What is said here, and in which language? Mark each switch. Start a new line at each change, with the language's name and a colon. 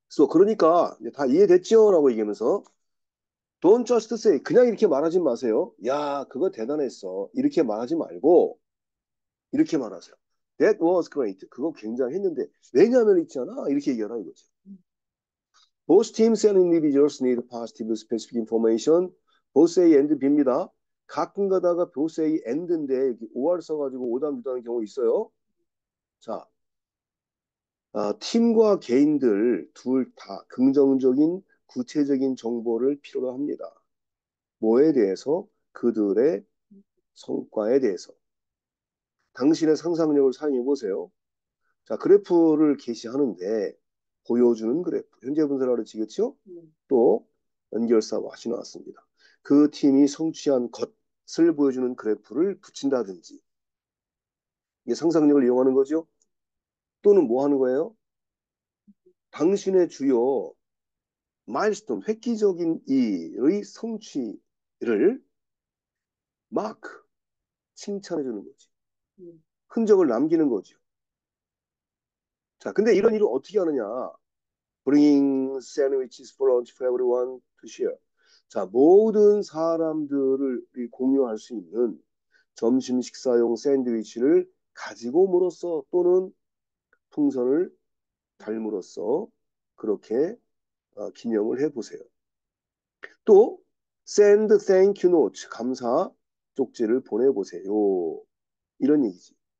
Korean: 그러니까 다 이해됐죠라고 얘기하면서 Don't just say 그냥 이렇게 말하지 마세요. 야, 그거 대단했어. 이렇게 말하지 말고 이렇게 말하세요.
English: That was great.
Korean: 그거 굉장했는데 왜냐면 있잖아. 이렇게 얘기하라 이거죠.
English: Both teams and individuals need positive specific information. Both say and B입니다.
Korean: 가끔 가다가 both say and인데, 여기 OR 써가지고 오답 유도하는 경우 있어요. 자, 팀과 개인들 둘다 긍정적인 구체적인 정보를 필요로 합니다. 뭐에 대해서? 그들의 성과에 대해서. 당신의 상상력을 사용해 보세요. 자, 그래프를 게시하는데, 보여주는 그래프. 현재 분석을 하시겠죠? 또, 연결사 what이 나왔습니다. 그 팀이 성취한 것을 보여주는 그래프를 붙인다든지. 이게 상상력을 이용하는 거죠? 또는 뭐 하는 거예요? 당신의 주요 마일스톤, 획기적인 일의 성취를 마크, 칭찬해 주는 거지. 흔적을 남기는 거죠. 자, 근데 이런 일을 어떻게 하느냐?
English: Bring sandwiches for lunch for everyone to share.
Korean: 자, 모든 사람들을 공유할 수 있는 점심 식사용 샌드위치를 가지고 옴으로써 또는 풍선을 닮으로써 그렇게 기념을 해보세요. 또, send thank you notes, 감사 쪽지를 보내보세요. 이런 얘기지.